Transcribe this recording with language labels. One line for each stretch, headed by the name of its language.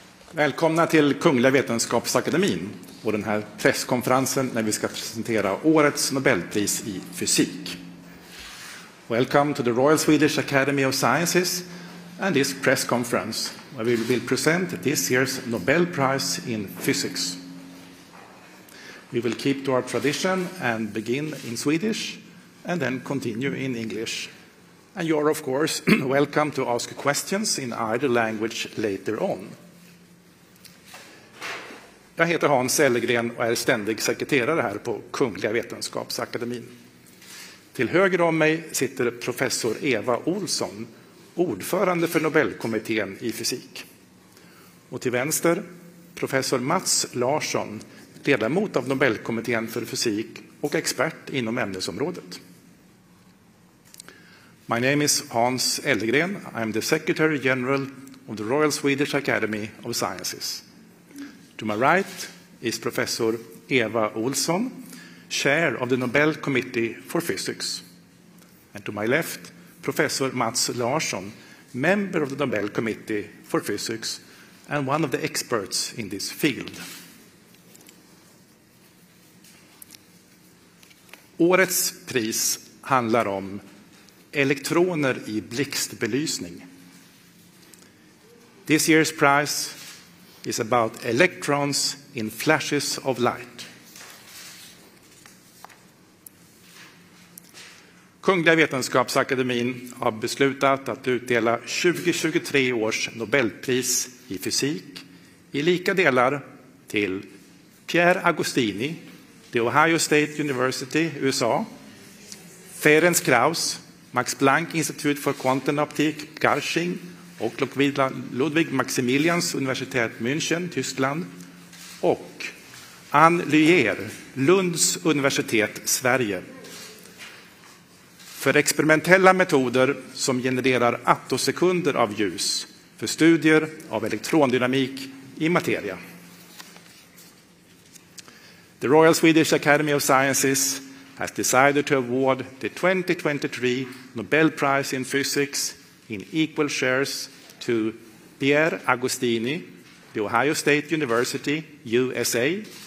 Swedish: Välkomna till Kungliga Vetenskapsakademin och den här presskonferensen när vi ska presentera årets Nobelpris i fysik.
English: Welcome to the Royal Swedish Academy of Sciences and this press conference where we will present this year's Nobel Prize in Physics. We will keep to our tradition and begin in Swedish and then continue in English. And you're of course welcome to ask questions in either language later on.
Swedish: Jag heter Hans Sellgren och är ständig sekreterare här på Kungliga Vetenskapsakademin. Till höger om mig sitter professor Eva Olsson, ordförande för Nobelkommittén i fysik. Och till vänster professor Mats Larsson, ledamot av Nobelkommittén för fysik och expert inom ämnesområdet.
English: My name is Hans Sellgren. I am the Secretary General of the Royal Swedish Academy of Sciences. To my right is Professor Eva Olsson, Chair of the Nobel Committee for Physics. And to my left, Professor Mats Larsson, Member of the Nobel Committee for Physics and one of the experts in this field.
Swedish: Årets pris handlar om elektroner i blixtbelysning.
English: This year's prize is about electrons in flashes of light.
Swedish: Kungliga Vetenskapsakademin har beslutat att utdela 2023 års Nobelpris i fysik i lika delar till Pierre Agostini, The Ohio State University, USA, Ferenc Krauss, Max Planck Institute for Quantum Optics, Garching, och Ludwig Maximilians universitet München, Tyskland, och Anne Lyer, Lunds universitet, Sverige, för experimentella metoder som genererar attosekunder av ljus för studier av elektrondynamik i materia.
English: The Royal Swedish Academy of Sciences has decided to award the 2023 Nobel Prize in Physics in equal shares to Pierre Agostini, The Ohio State University, USA,